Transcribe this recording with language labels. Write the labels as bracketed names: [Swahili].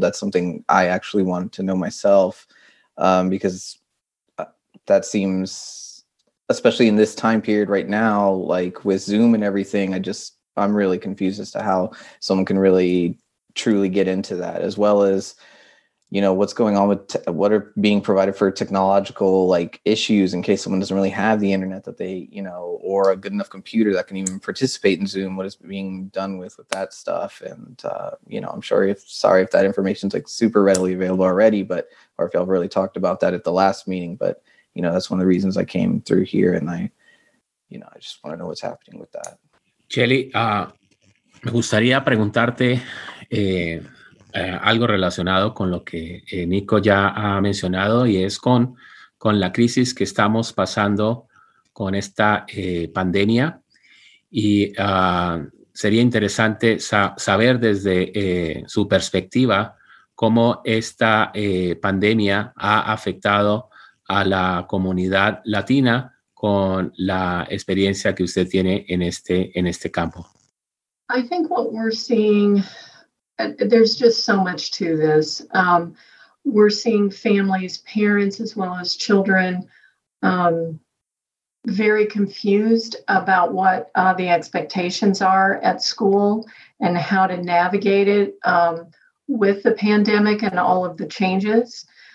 [English] That's something I actually wanted to know myself, because that seems, especially in this time period right now, like with Zoom and everything, I'm really confused as to how someone can really truly get into that, as well as, you know, what's going on with what are being provided for technological like issues in case someone doesn't really have the internet that they, you know, or a good enough computer that can even participate in Zoom, what is being done with that stuff. And, I'm sure if that information is like super readily available already, but, or if y'all really talked about that at the last meeting, but, you know, that's one of the reasons I came through here, and I just want to know what's happening with that. [Spanish] Shelly, me gustaría preguntarte algo relacionado con lo que Nico ya ha mencionado, y es con la crisis que estamos pasando con esta pandemia. Y sería interesante saber desde su perspectiva cómo esta pandemia ha afectado a la comunidad latina con la experiencia que usted tiene en este campo. [English] I think what we're seeing, there's just so much to this. We're seeing families, parents, as well as children, very confused about what the expectations are at school and how to navigate it with the pandemic and all of the changes.